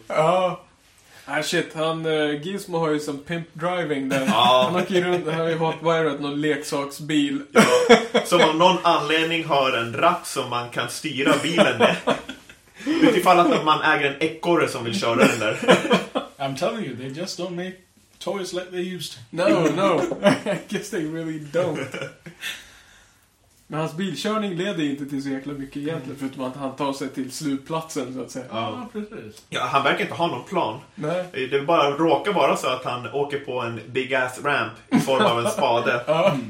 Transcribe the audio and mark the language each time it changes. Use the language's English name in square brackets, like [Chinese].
[Swedish] Ja. Ah, shit, han, Gizmo har ju som [English] pimp driving [Swedish] där. Ja. Han åker ju runt, han har ju hot wired någon leksaksbil. Ja. Som av någon anledning har en ratt som man kan styra bilen med. Utifall att man äger en ekorre som vill köra den där. [English] I'm telling you, they just don't make toys like they used to. No, no. I guess they really don't. [Swedish] Men hans bilkörning leder inte till så jäkla mycket egentligen, förutom att han tar sig till slutplatsen, så att säga. Ja, precis. Ja, han verkar inte ha någon plan. Nej. Det bara råkar vara så att han åker på en [English] big-ass ramp [Swedish] i form av en spade. Ja.